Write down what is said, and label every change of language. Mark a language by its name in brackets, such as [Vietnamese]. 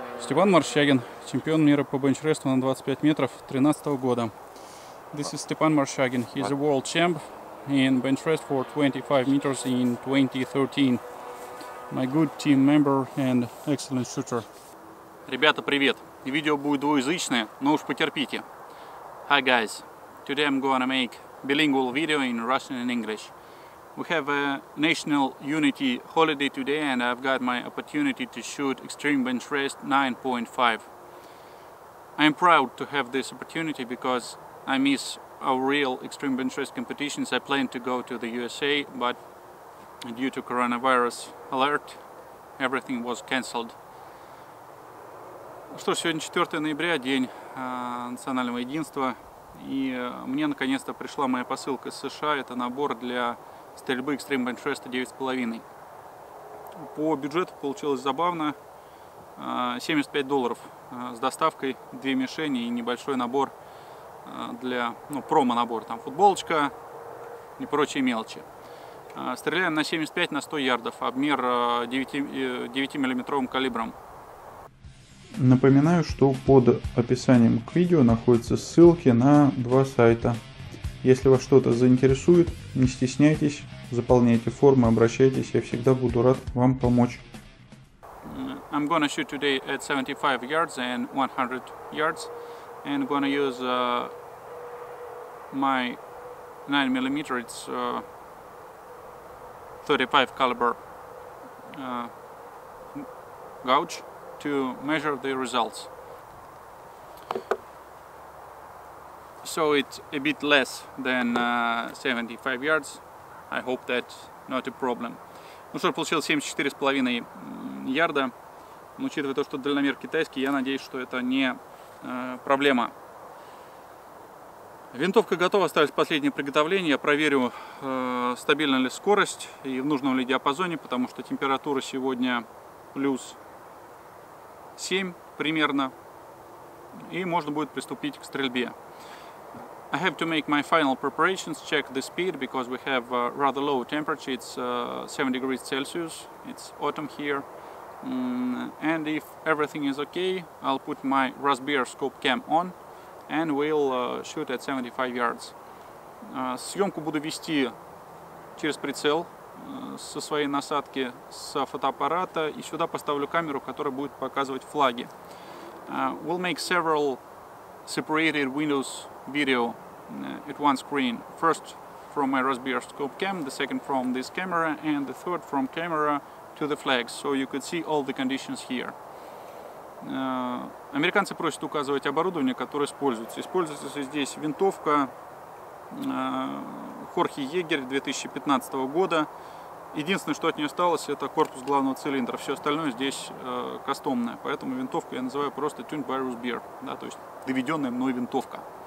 [Russian] Степан Морщагин, чемпион мира по бенчрессу на 25 метров 13 года. [English] This is Степан Морщагин. He's a world champ in benchrest for 25 meters in 2013. My good team member and excellent shooter. [Russian] Ребята, привет. Видео будет двуязычное, но уж потерпите. [English] Hi guys. Today I'm going to make bilingual video in Russian and English. We have a national unity holiday today, and I've got my opportunity to shoot extreme bench rest 9.5. I'm proud to have this opportunity because I miss our real extreme bench rest competitions. I plan to go to the USA, but due to coronavirus alert, everything was cancelled. [Russian] Что ж, сегодня 4 ноября, день национального единства, и мне наконец-то пришла моя посылка из США. Это набор для стрельбы Extreme Benchrest 9.5. По бюджету получилось забавно. $75 с доставкой, две мишени и небольшой набор для, ну, промо-набор. Там футболочка и прочие мелочи. Стреляем на 75 на 100 ярдов. Обмер 9-миллиметровым калибром. Напоминаю, что под описанием к видео находятся ссылки на два сайта. Если вас что-то заинтересует, не стесняйтесь, заполняйте формы, обращайтесь, я всегда буду рад вам помочь. [English] I'm gonna shoot today at 75 yards and 100 yards, and gonna use my 9mm, it's 35 caliber gauge to measure the results. So it's a bit less than 75 yards. I hope that not a problem. [Russian] Ну что, получилось 74,5 ярда. Но учитывая то, что дальномер китайский, я надеюсь, что это не проблема. Винтовка готова, осталось последнее приготовление. Я проверю, стабильна ли скорость и в нужном ли диапазоне, потому что температура сегодня плюс 7 примерно. И можно будет приступить к стрельбе. [English] I have to make my final preparations, check the speed, because we have a rather low temperature, it's 7 degrees Celsius, it's autumn here. And if everything is okay, I'll put my Rasbeer scope cam on, and we'll shoot at 75 yards. [Russian] Съемку буду вести через прицел со своей насадки, со фотоаппарата, и сюда поставлю камеру, которая будет показывать флаги. [English] We'll make several separated windows video at one screen. First from my Rasbeer scope cam, the second from this camera, and the third from camera to the flags, so you could see all the conditions here. [Russian] Американцы просят указывать оборудование, которое используется. Используется здесь винтовка Jorge Jaeger 2015 года. Единственное, что от нее осталось, это корпус главного цилиндра. Все остальное здесь кастомное. Поэтому винтовку я называю просто Tuned by Rasbeer, да, то есть доведенная мной винтовка.